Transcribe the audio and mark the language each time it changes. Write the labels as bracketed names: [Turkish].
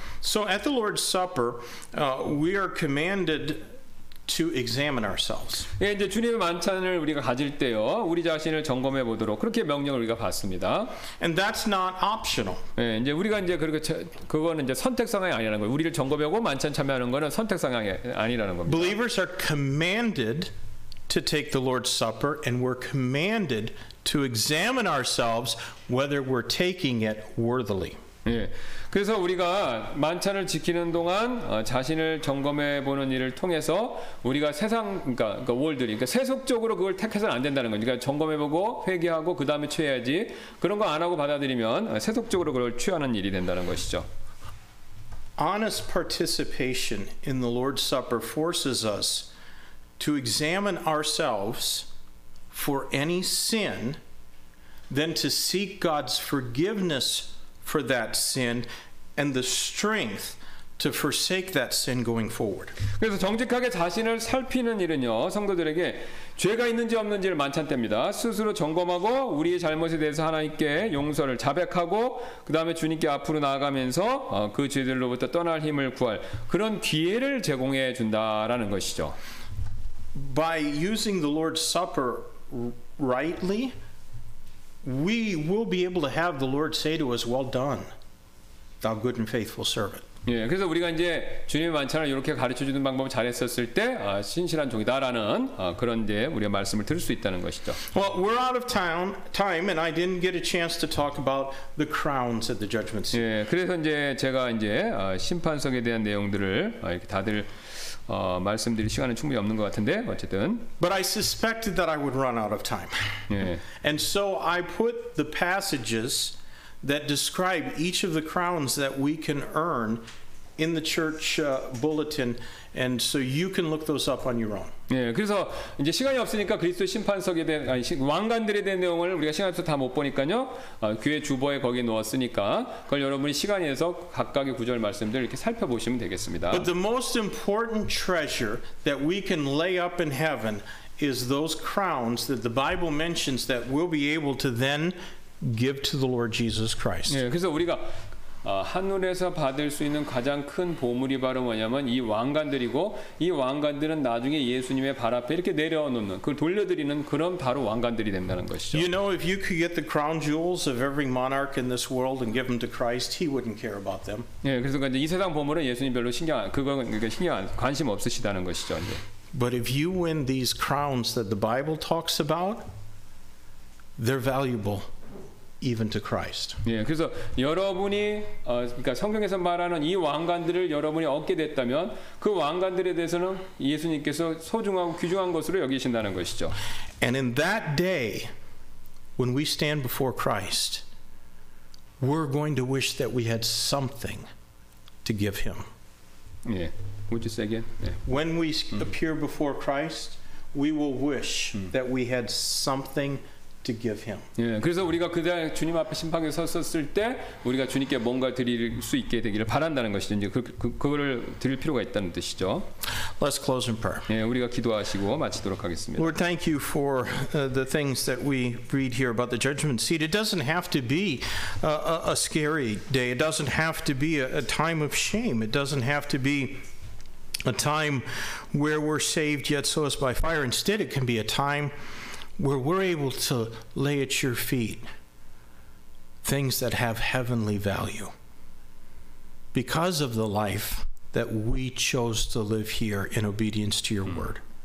[English] So at the Lord's Supper, we are commanded to examine ourselves. [Korean] 예, 이제 주님의 만찬을 우리가 가질 때요, 우리 자신을 점검해 보도록 그렇게 명령을 우리가 받습니다. [English] And that's not optional. [Korean] 예, 이제 우리가 이제 그렇게 그거는 이제 선택 상황이 아니라는 거예요. 우리를 점검하고 만찬 참여하는 거는 선택 상황이 아니라는 겁니다. [English] Believers are commanded to take the Lord's Supper, and we're commanded to examine ourselves whether we're taking it worthily. [Korean] 예. 그래서 우리가 만찬을 지키는 동안 자신을 점검해 보는 일을 통해서 우리가 세상 그러니까 월드리 그러니까 세속적으로 그걸 택해서는 안 된다는 거니까 그러니까 점검해 보고 회개하고 그다음에 취해야지. 그런 거 안 하고 받아들이면 세속적으로 그걸 취하는 일이 된다는 것이죠. [English] Honest participation in the Lord's Supper forces us to examine ourselves for any sin, then to seek God's forgiveness for that sin and the strength to forsake that sin going forward. [Korean] 그래서 정직하게 자신을 살피는 일은요, 성도들에게 죄가 있는지 없는지를 만찬 때입니다. 스스로 점검하고 우리의 잘못에 대해서 하나님께 용서를 자백하고 그 다음에 주님께 앞으로 나아가면서 그 죄들로부터 떠날 힘을 구할 그런 기회를 제공해 준다라는 것이죠. [English] By using the Lord's Supper rightly, we will be able to have the Lord say to us, "Well done, thou good and faithful servant." [Korean] 예, 그래서 우리가 이제 주님의 만찬을 이렇게 가르쳐 주는 방법을 잘했었을 때 신실한 종이다라는 그런데 우리가 말씀을 들을 수 있다는 것이죠. [English] Well, we're out of time, and I didn't get a chance to talk about the crowns at the judgment seat. [Korean] 예, 그래서 이제 제가 이제 심판석에 대한 내용들을 이렇게 다들 말씀드릴 시간은 충분히 없는 것 같은데 어쨌든. [English] But I suspected that I would run out of time. [Korean] 예. [English] And so I put the passages that describe each of the crowns that we can earn in the church bulletin, and so you can look those up on your own. [Korean] 예, 그래서 이제 시간이 없으니까 그리스도 심판석에 대한 왕관들에 대한 내용을 우리가 시간 없어서 다 못 보니까요. 교회 주보에 거기 놓았으니까 그걸 여러분이 시간이 돼서 각각의 구절 말씀들 이렇게 살펴보시면 되겠습니다. [English] But the most important treasure that we can lay up in heaven is those crowns that the Bible mentions that we'll be able to then give to the Lord Jesus Christ. [Korean] 예, 그래서 우리가 하늘에서 받을 수 있는 가장 큰 보물이 바로 뭐냐면 이 왕관들이고 이 왕관들은 나중에 예수님의 발 앞에 이렇게 내려놓는 그걸 돌려드리는 그런 바로 왕관들이 된다는 것이죠. [English] You know, if you could get the crown jewels of every monarch in this world and give them to Christ, he wouldn't care about them. [Korean] 예, 그래서 이제 이 세상 보물은 예수님 별로 관심 없으시다는 것이죠. 이제. [English] But if you win these crowns that the Bible talks about, they're valuable even to Christ. [Korean] 예, 그래서 여러분이 그러니까 성경에서 말하는 이 왕관들을 여러분이 얻게 됐다면 그 왕관들에 대해서는 예수님께서 소중하고 귀중한 것으로 여기신다는 것이죠. [English] And in that day when we stand before Christ, we're going to wish that we had something to give him. [Korean] 예. [English] Would you say again? [Korean] 예. [English] When we appear before Christ, we will wish that we had something to give him. [Korean] 예, 그래서 우리가 그대 주님 앞에 심판에 섰었을 때 우리가 주님께 뭔가 드릴 수 있게 되기를 바란다는 것이죠. 이제 그거를 드릴 필요가 있다는 뜻이죠. [English] Let's close in prayer. [Korean] 예, 우리가 기도하시고 마치도록 하겠습니다. [English] Lord, thank you for the things that we read here about the judgment seat. It doesn't have to be a scary day. It doesn't have to be a time of shame. It doesn't have to be a time where we're saved yet so as by fire. Instead, it can be a time where we're able to lay at your feet things that have heavenly value because of the life that we chose to live here in obedience to your word.